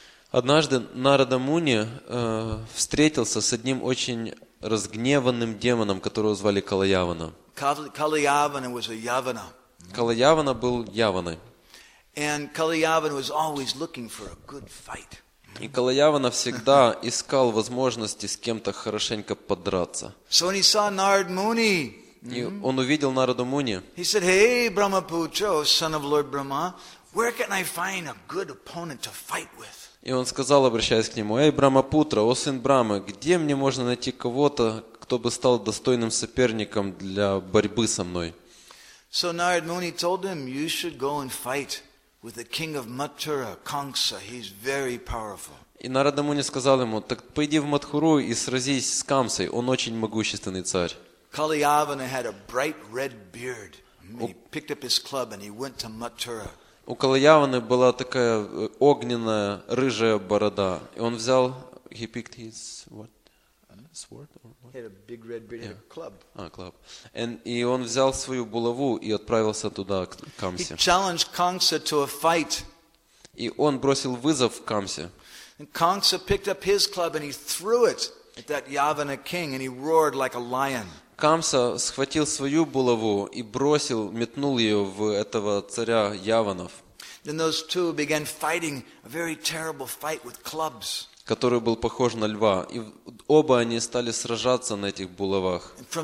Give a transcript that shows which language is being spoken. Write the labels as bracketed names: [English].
[Russian] Однажды Нарада Муни встретился с одним очень разгневанным демоном, которого звали Калаявана. [English] Kalyavana was a Yavana. [Russian] Kalyavana был Яваной. [English] And Kalyavana was always looking for a good fight. [Russian] И Калаявана всегда искал возможности с кем-то хорошенько подраться. [English] So when he saw Narad Muni, [Russian] и он увидел Нараду Муни. [English] He said, "Hey, Brahmaputra, son of Lord Brahma, where can I find a good opponent to fight with?" [Russian] И он сказал, обращаясь к нему: "Эй, Брахмапутра, о сын Брамы, где мне можно найти кого-то, кто бы стал достойным соперником для борьбы со мной?" [English] So Narad Muni told him, "You should go and fight with the king of Mathura, Kongsa. He's very powerful." [Russian] И Нарада Муни сказал ему: "Так пойди в Матхуру и сразись с Камсой. Он очень могущественный царь." [English] Kalyavana had a bright red beard. He picked up his club and he went to Mathura. [Russian] У Калаяваны была такая огненная рыжая борода, и он взял. [English] He picked his what? sword or what? He had a big red beard, yeah. Club. Ah, club. [Russian] And и он взял свою булаву и отправился туда к Камсе. [English] He challenged Kamsa to a fight. [Russian] И он бросил вызов Камсе. [English] And Kamsa picked up his club and he threw it at that Yavana king and he roared like a lion. [Russian] Камса схватил свою булаву и бросил, метнул ее в этого царя Яванов, который был похож на льва. И оба они стали сражаться на этих булавах.